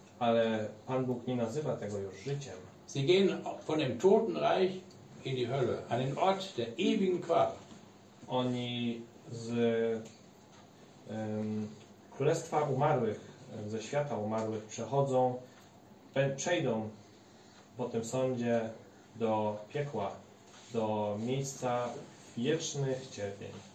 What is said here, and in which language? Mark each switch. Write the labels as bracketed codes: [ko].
[pl] Ale Pan Bóg nie nazywa tego już życiem. [de] Sie gehen von dem Totenreich in die Hölle, an den Ort der ewigen Qual. [pl] Oni z Królestwa Umarłych, ze Świata Umarłych przechodzą, przejdą po tym sądzie do piekła, do miejsca wiecznych cierpień.